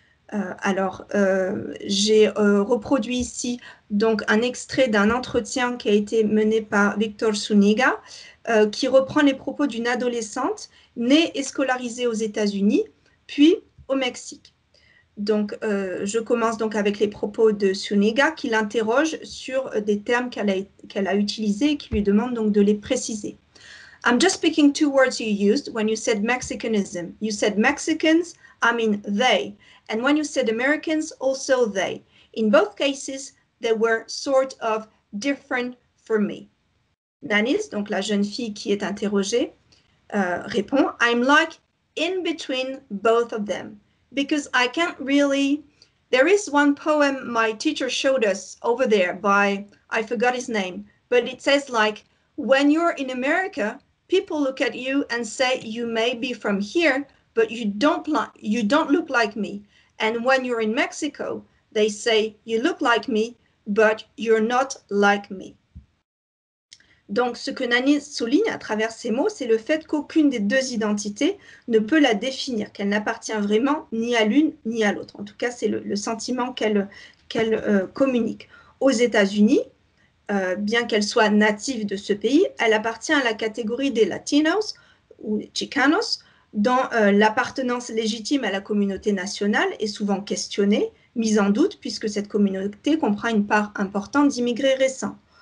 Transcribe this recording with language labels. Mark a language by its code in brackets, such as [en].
[fr] J'ai reproduit ici donc un extrait d'un entretien qui a été mené par Victor Suniga qui reprend les propos d'une adolescente née et scolarisée aux États-Unis puis au Mexique. Donc, je commence donc avec les propos de Suniga qui l'interroge sur des termes qu'elle a utilisés et qui lui demande donc de les préciser. [en] I'm just picking two words you used when you said Mexicanism. You said Mexicans, I mean they. And when you said Americans, also they. In both cases, they were sort of different for me. [fr] Nanis, donc la jeune fille qui est interrogée, répond, [en] I'm like in between both of them, because I can't really, there is one poem my teacher showed us over there by, I forgot his name, but it says like, when you're in America, people look at you and say you may be from here, but you don't look like me. And when you're in Mexico, they say you look like me, but you're not like me. [fr] Donc, ce que Nani souligne à travers ces mots, c'est le fait qu'aucune des deux identités ne peut la définir, qu'elle n'appartient vraiment ni à l'une ni à l'autre. En tout cas, c'est le sentiment qu'elle communique. Aux États-Unis, bien qu'elle soit native de ce pays, elle appartient à la catégorie des Latinos ou Chicanos, dont l'appartenance légitime à la communauté nationale est souvent questionnée, mise en doute, puisque cette communauté comprend une part importante d'immigrés récents.